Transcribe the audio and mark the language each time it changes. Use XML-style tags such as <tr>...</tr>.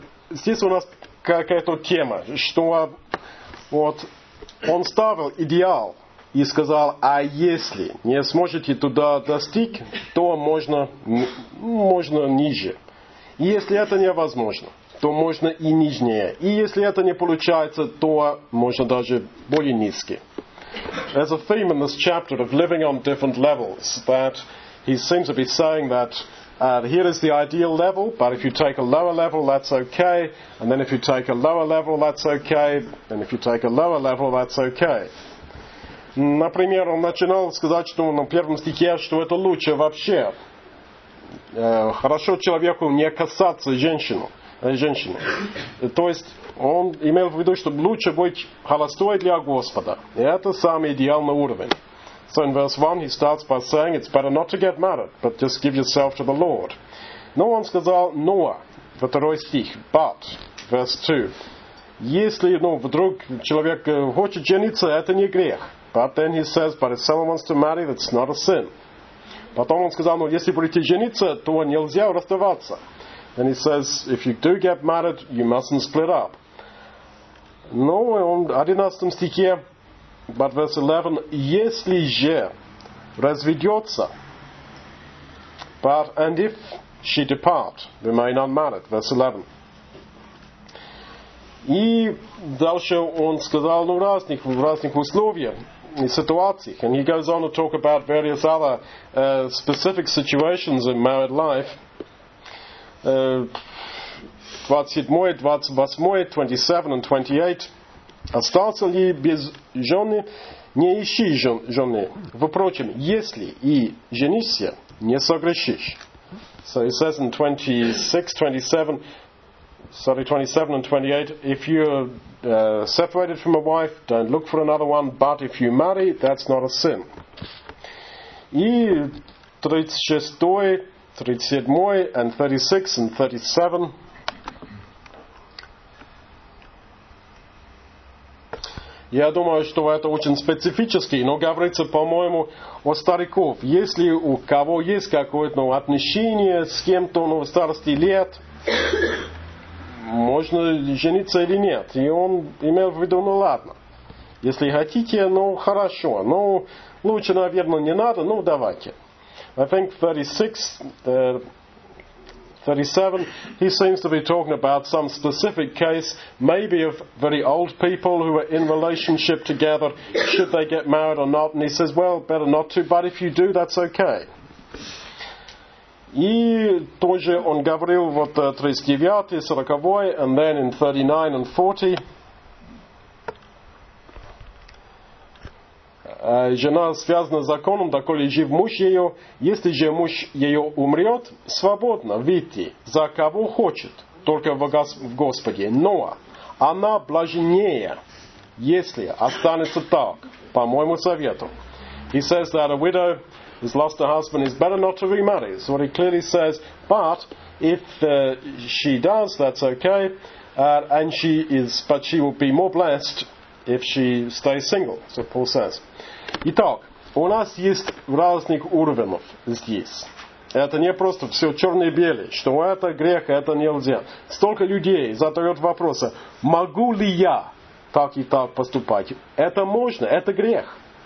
<ru>Здесь у нас какая-то тема, что вот он ставил идеал и сказал, а если не сможете туда достичь, то можно ниже. И если это невозможно, то можно и нижнее. И если это не получается, то можно даже более низкий.</ru> <en>There's a theme in this chapter of living on different levels that he seems to be saying that here is the ideal level, but if you take a lower level, that's okay. And then if you take a lower level, that's okay. And if you take a lower level, that's okay.</en> <ru>Например, он начинал сказать, что на первом стихе, что это лучше вообще. Хорошо человеку не касаться женщины. То есть он имел в виду, что лучше быть холостой для Господа. И это самый идеальный уровень.</ru> <en>So in verse 1 he starts by saying it's better not to get married, but just give yourself to the Lord.</en> <ru>Но он сказал, но, второй стих,</ru> <en>but, verse 2,</en> <ru>если, ну, вдруг человек хочет жениться, это не грех.</ru> <en>But then he says, but if someone wants to marry, that's not a sin.</en> <ru>Потом он сказал, ну, если будете жениться, то нельзя расставаться.</ru> <en>And he says, if you do get married, you mustn't split up.</en> <ru>Но он, 11 стихе,</ru> <en>but verse 11,</en> <ru>если же разведется,</ru> <en>but and if she depart, remain unmarried, verse 11.</en> <ru>И дальше он сказал, ну, в разных условиях и ситуациях.</ru> <en>And he goes on to talk about various other specific situations in married life.</en> <ru>27, 28,</ru> <en>27 and 28.</en> <ru>Остался ли без жены, не ищи жены. Впрочем, если и женишься, не согрешишь.</ru> <en>So he says in 27 and 28, if you are separated from a wife, don't look for another one, but if you marry, that's not a sin.</en> <ru>И 36, 37</ru> <en>and 36 and 37.</en> <ru>Я думаю, что это очень специфически, но говорится, по-моему, о стариков. Если у кого есть какое-то отношение с кем-то в старости лет, можно жениться или нет. И он имел в виду, ну ладно, если хотите, ну хорошо, ну лучше, наверное, не надо, ну давайте.</ru> <en>I think 36, 37, he seems to be talking about some specific case, maybe of very old people who are in relationship together, should they get married or not, and he says, well, better not to, but if you do, that's okay.</en> <ru>И тоже он говорил вот 39, 40,</ru> <en>and then in 39 and 40,</en> <ru>жена связана с законом, доколе жив муж ее. Если же муж ее умрет, свободно, видите, за кого хочет, только в Господе. Но она блаженнее, если останется так, по моему совету.</ru> <en>He says that a widow who's lost her husband is better not to remarry. That's what he clearly says. But if she does, that's okay. But she will be more blessed if she stays single. So Paul says.</en> <ru>Итак, у нас есть разных уровней здесь. Это не просто все черно-белое, что это грех, это нельзя. Столько людей задают вопросы, могу ли я так и так поступать? Это можно, это грех.</ru>